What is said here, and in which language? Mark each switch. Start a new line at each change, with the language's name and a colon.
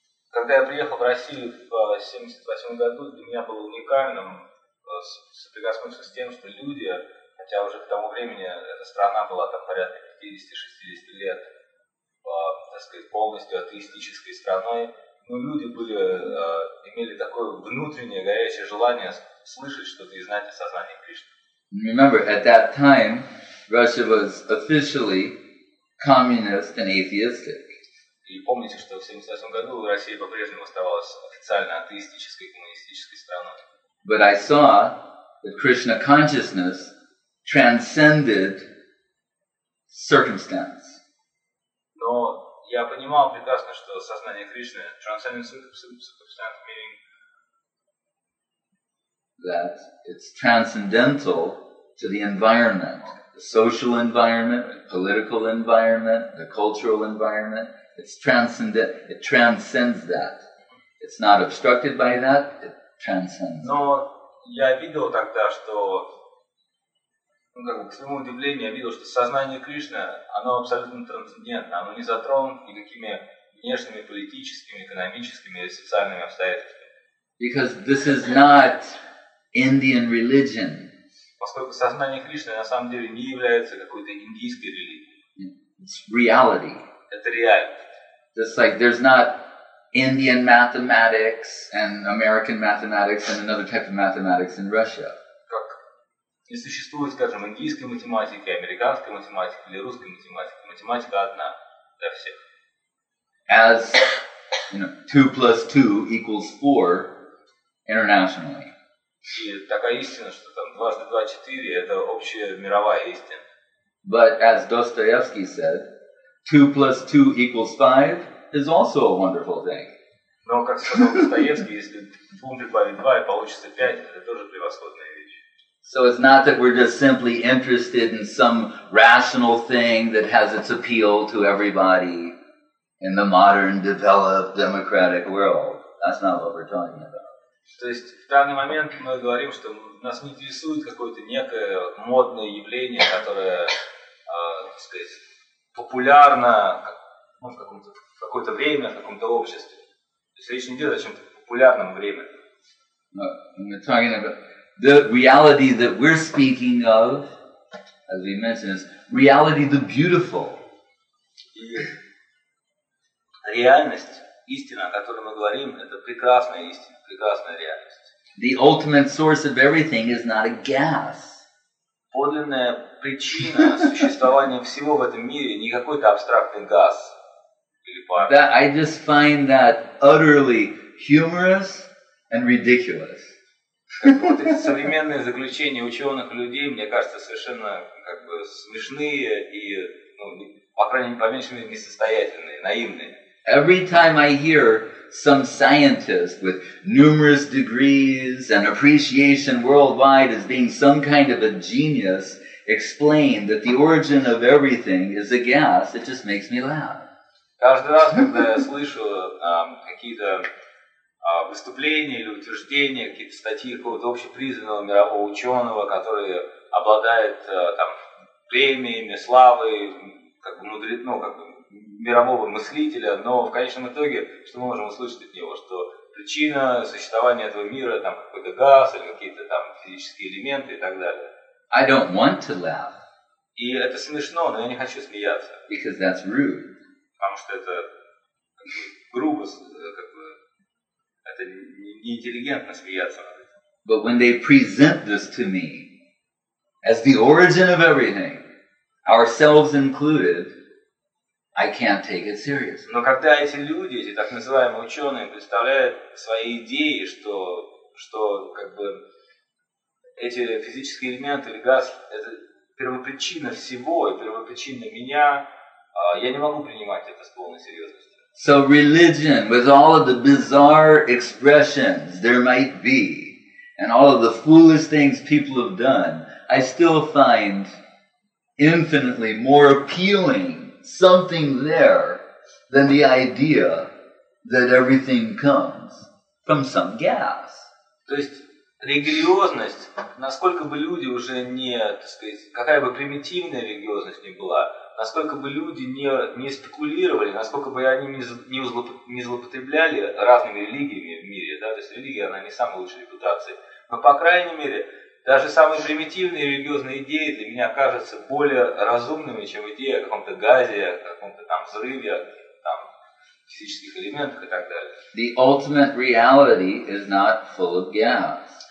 Russian: Когда я приехал в Россию в 78 году, для меня было уникальным соприкоснуться с тем, что люди, хотя уже к тому времени эта страна была там порядка 50-60 лет, так сказать, полностью атеистической страной. Но люди были, имели такое внутреннее горячее желание слышать что-то и знать о сознании Кришны.
English: Remember, at that time, Russia was officially communist and atheistic.
Russian: И помните, что в 78 году Россия по-прежнему оставалась официально атеистической, коммунистической страной.
English: But I saw that Krishna consciousness transcended circumstance.
Russian: Но я понимал прекрасно, что сознание Кришны
English: transcends circumstance, meaning that it's transcendental to the environment, the social environment, the political environment, the cultural environment. It's transcendent. It transcends that. It's not obstructed by that. It transcends.
Russian: Но я видел тогда, что, ну, как бы, к своему удивлению, я видел, что сознание Кришны, оно абсолютно трансцендентно, оно не затронуто никакими внешними политическими, экономическими или социальными обстоятельствами.
English: Because this is not Indian religion.
Russian: Поскольку сознание Кришны на самом деле не является какой-то индийской религией.
English: It's reality.
Russian: Это реальность.
English: Just like there's not Indian mathematics and American mathematics and another type of mathematics in Russia.
Russian: Не существует, скажем, индийской математики, американской математики или русской математики. Математика одна для всех.
English: As, you know, 2 + 2 = 4 internationally.
Russian: И такая истина, что там 2 × 2 = 4 – это общая мировая истина.
English: But as Dostoevsky said, 2 + 2 = 5 is also a wonderful thing.
Russian: Но, как сказал Достоевский, если 2 прибавить 2 и получится 5, это тоже превосходная вещь.
English: So it's not that we're just simply interested in some rational thing that has its appeal to everybody in the modern, developed, democratic world. That's not what we're talking about.
Russian: То есть в данный момент мы говорим, что нас не интересует какое-то некое модное явление, которое, так сказать, популярно, ну, в каком-то, в какое-то время, в каком-то обществе. То есть речь не идет о чем-то популярном времени.
English: We're talking about the reality that we're speaking of, as we mentioned, is reality, the beautiful.
Russian: Реальность, истина, о которой мы говорим, это прекрасная истина, прекрасная реальность.
English: The ultimate source of everything is not a gas.
Russian: Подлинная причина существования всего в этом мире не какой-то абстрактный газ или пар.
English: That I just find that utterly humorous and ridiculous.
Russian: Как бы, вот эти современные заключения ученых людей, мне кажется, совершенно как бы смешные и, ну, по крайней мере, по меньшей мере, несостоятельные, наивные.
English: Every time I hear some scientist with numerous degrees and appreciation worldwide as being some kind of a genius explain that the origin of everything is a gas, it just makes me laugh.
Russian: Каждый раз, когда я слышу какие-то выступления или утверждения, какие-то статьи какого-то общепризнанного мирового ученого, который обладает там, премиями, славой, как бы мудрит, ну, как бы мирового мыслителя, но в конечном итоге, что мы можем услышать от него, что причина существования этого мира, там, какой-то газ или какие-то там физические элементы и так далее.
English: I don't want to laugh.
Russian: И это смешно, но я не хочу смеяться.
English: Because that's rude.
Russian: Потому что это грубо, как бы, это неинтеллигентно смеяться над этим.
English: But when they present this to me as the origin of everything, ourselves included, I can't take it seriously.
Russian: Но когда эти люди, эти так называемые ученые, представляют свои идеи, что как бы эти физические элементы или газ – это первопричина всего и первопричина меня, я не могу принимать это с полной серьезностью.
English: So religion, with all of the bizarre expressions there might be, and all of the foolish things people have done, I still find infinitely more appealing something there than the idea that everything comes from some gas.
Russian: То есть религиозность, насколько бы люди уже не, так сказать, какая бы примитивная религиозность ни была, насколько бы люди не спекулировали, насколько бы они не злоупотребляли разными религиями в мире, да, то есть религия, она не самая лучшая репутация, но, по крайней мере, даже самые примитивные религиозные идеи для меня кажутся более разумными, чем идея о каком-то газе, о каком-то там взрыве, там, физических элементах и так далее.
English: The ultimate reality is not full of gas.